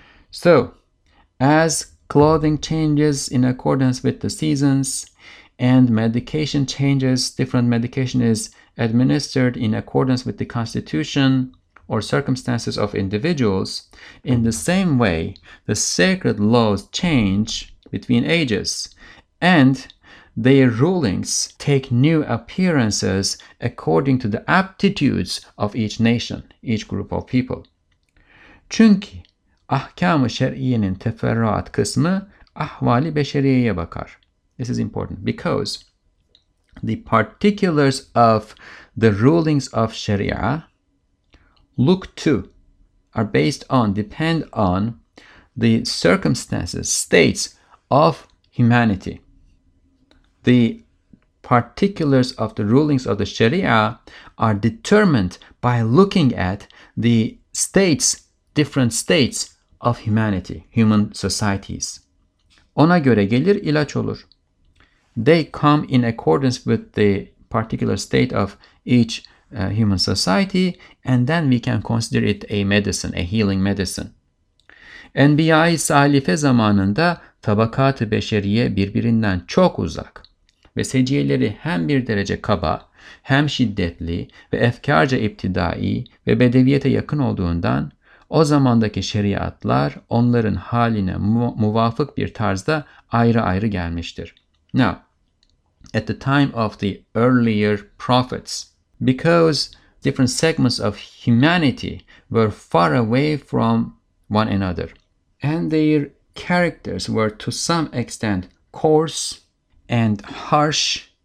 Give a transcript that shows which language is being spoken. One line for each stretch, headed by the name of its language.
English: So, as clothing changes in accordance with the seasons and medication changes, different medication is administered in accordance with the constitution or circumstances of individuals, in the same way, the sacred laws change between ages and their rulings take new appearances according to the aptitudes of each nation, each group of people.
Turkish: Çünkü ahkam-ı şer'iyenin teferruat kısmı ahvali beşeriyeye bakar.
English: This is important because the particulars of the rulings of Sharia look to, are based on, depend on the circumstances, states of humanity. The particulars of the rulings of the Sharia are determined by looking at the states, different states of humanity, human societies.
Turkish: Ona göre gelir, ilaç olur.
English: They come in accordance with the particular state of each human society, and then we can consider it a medicine, a healing medicine.
Turkish: Enbiya-i salife zamanında tabakat-ı beşeriye birbirinden çok uzak ve seciyeleri hem bir derece kaba, hem şiddetli ve efkarca iptidai ve bedeviyete yakın olduğundan o zamandaki şeriatlar onların haline muvafık bir tarzda ayrı ayrı gelmiştir.
English: Now, at the time of the earlier prophets, because different segments of humanity were far away from one another, and their characters were to some extent coarse and harsh,